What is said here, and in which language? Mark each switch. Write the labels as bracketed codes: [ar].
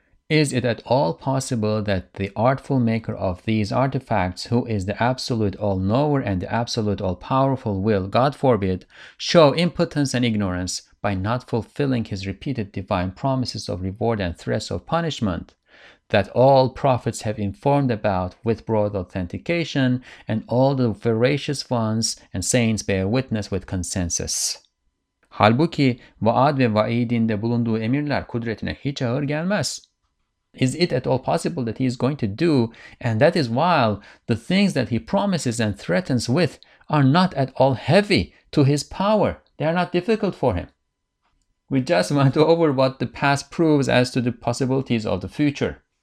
[en] Is it at all possible that the artful maker of these artifacts, who is the absolute all-knower and the absolute all-powerful, will, God forbid, show impotence and ignorance by not fulfilling his repeated divine promises of reward and threats of punishment that all prophets have informed about with broad authentication, and all the veracious ones and saints bear witness with consensus? [tr] Halbuki vaad ve vaidinde bulunduğu emirler kudretine hiç ağır gelmez. [en] Is it at all possible that he is going to do, and that is while the things that he promises and threatens with are not at all heavy to his power, they are not difficult for him? We just went over what the past proves as to the possibilities of the future.